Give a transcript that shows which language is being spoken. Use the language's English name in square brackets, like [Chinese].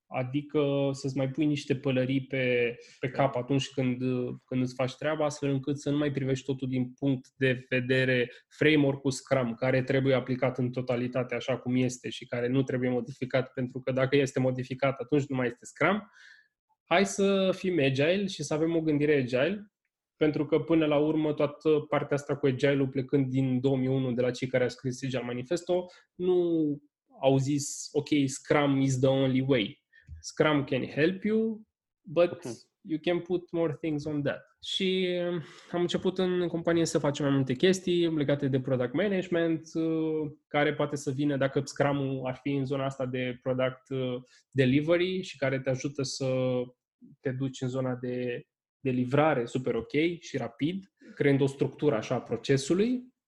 [Romanian] Adică să-ți mai pui niște pălării pe cap atunci când îți faci treaba, astfel încât să nu mai privești totul din punct de vedere framework-ul Scrum, care trebuie aplicat în totalitate așa cum este și care nu trebuie modificat, pentru că dacă este modificat, atunci nu mai este Scrum. Hai să fim agile și să avem o gândire agile, pentru că până la urmă toată partea asta cu agile-ul plecând din 2001 de la cei care au scris Agile Manifesto, nu au zis, ok, [English] Scrum is the only way. Scrum can help you, but you can put more things on that. [Romanian] Și am început în companie să facem mai multe chestii legate de product management, care poate să vină dacă Scrum-ul ar fi în zona asta de product delivery și care te ajută să te duci în zona de livrare super ok și rapid, creând o structură așa a procesului.